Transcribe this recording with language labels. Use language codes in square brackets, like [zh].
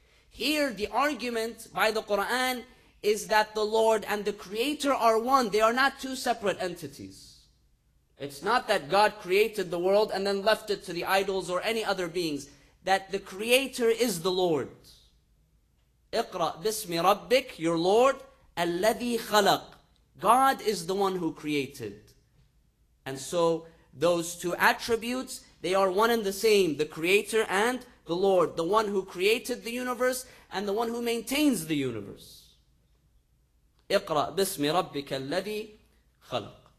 [en] Here the argument by the Quran is that the Lord and the Creator are one. They are not two separate entities. It's not that God created the world and then left it to the idols or any other beings. That the Creator is the Lord. [ar] اقرأ بسم ربك, [en] your Lord, [ar] الذي خلق. [en] God is the one who created. And so those two attributes, they are one and the same, the Creator and the Lord, the one who created the universe and the one who maintains the universe. [ar] اقرأ بسم ربك الذي خلق.